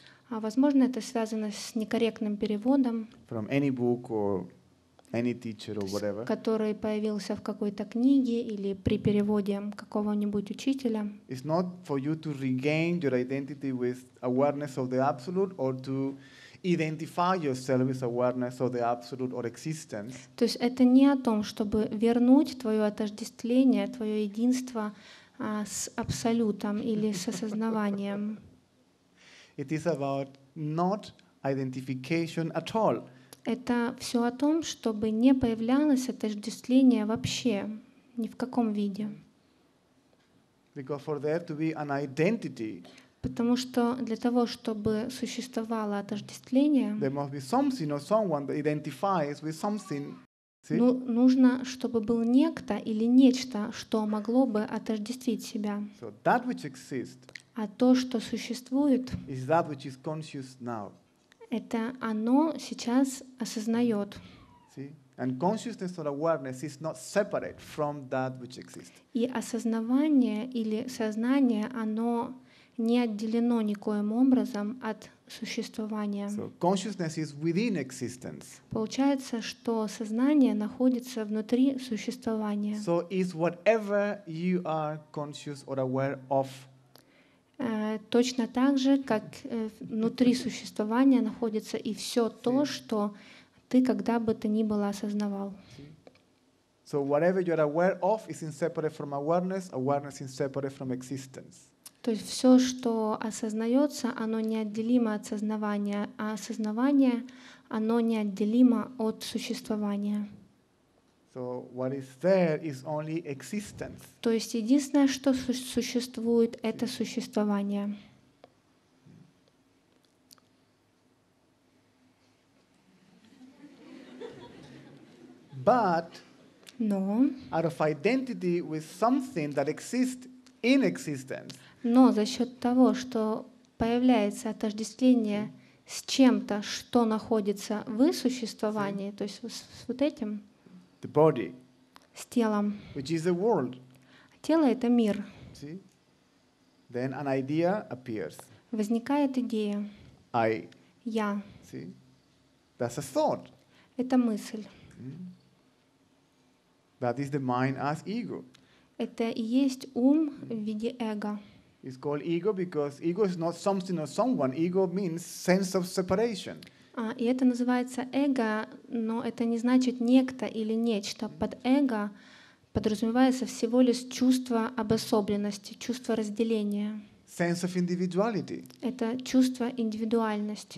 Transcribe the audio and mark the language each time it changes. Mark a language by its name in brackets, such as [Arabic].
[Russian] А возможно, это связано с некорректным переводом. [English] From any book or any teacher or whatever. [Russian] Который появился в какой-то книге или при переводе какого-нибудь учителя. [English] It's not for you to regain your identity with awareness of the absolute or to identify yourself with awareness of the absolute or existence. [Russian] То есть это не о том, чтобы вернуть твое отождествление, твое единство с абсолютом или с осознаванием. [English] It is about not identification at all. [Russian] Это все о том, чтобы не появлялось отождествление вообще, ни в каком виде. [English] Because for there to be an identity, [Russian] потому что для того, чтобы существовало отождествление, [English] there must be something or someone that identifies with something. See? [Russian] Нужно, чтобы был некто или нечто, что могло бы отождествить себя. [English] So that which exists, [Russian] а то, что существует, [English] is that which is conscious now. [Russian] Это оно сейчас осознает. [English] And consciousness or awareness is not separate from that which exists. [Russian] И осознавание или сознание, оно не отделено никоим образом от существования. [English] So consciousness is within existence. [Russian] Получается, что сознание находится внутри существования. [English] So is whatever you are conscious or aware of. [Russian] Точно так же, как внутри существования находится и все то, что ты когда бы то ни было осознавал. [English] So whatever you are aware of is inseparable from awareness, awareness inseparable from existence. [Russian] То есть все, что осознается, оно неотделимо от сознавания, а осознавание, оно неотделимо от существования. [English] So what is there is only existence. [Russian] То есть единственное, что существует, это существование. [English] But no. Out of identity with something that exists in existence. [Russian] Но за счет того, что появляется отождествление с чем-то, что находится в существовании, то есть с вот этим. [English] The body. [Russian] с телом. [English] Which is the world. [Russian] Тело — это мир. [English] See? Then an idea appears. [Russian] Возникает идея. [English] I. [Russian] Я. [English] See? That's a thought. [Russian] Это мысль. [English] Mm-hmm. That is the mind as ego. [Russian] Это и есть ум в виде эго. [English] It's called ego because ego is not something or someone. Ego means sense of separation. [Russian] И это называется эго, но это не значит некто или нечто. Под эго подразумевается всего лишь чувство обособленности, чувство разделения. [English] Sense of individuality. [Russian] Это чувство индивидуальности.